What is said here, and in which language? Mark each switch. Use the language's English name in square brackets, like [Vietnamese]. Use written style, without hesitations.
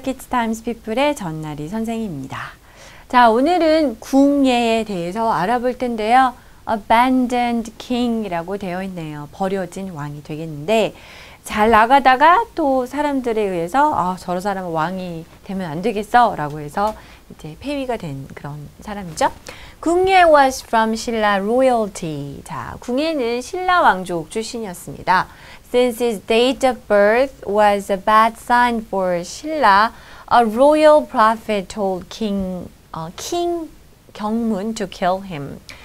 [Korean] Kids Times People의 전나리 선생입니다. 자, 오늘은 궁예에 대해서 알아볼 텐데요. Abandoned King이라고 되어 있네요. 버려진 왕이 되겠는데 잘 나가다가 또 사람들에 의해서 아, 저런 사람은 왕이 되면 안 되겠어 라고 해서 이제 폐위가 된 그런 사람이죠. [English] 궁예 was from 신라 royalty. [Korean] 자, 궁예는 신라 왕족 출신이었습니다. [English] Since his date of birth was a bad sign for 신라, a royal prophet told King 경문 to kill him.